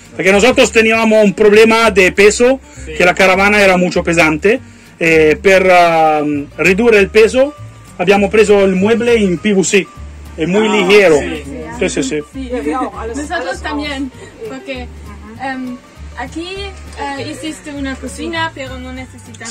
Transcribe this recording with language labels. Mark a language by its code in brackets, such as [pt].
[it] Perché [es] nosotros teníamos un problema de peso, sí, que la caravana era mucho [it] pesante. E per ridurre il peso abbiamo preso il [es] mueble [it] in PVC. È [es] muy ligero. [it] Sì, sì, sì. [es] Sí. Nosotros también, porque aquí existe una cocina, pero no necesitamos.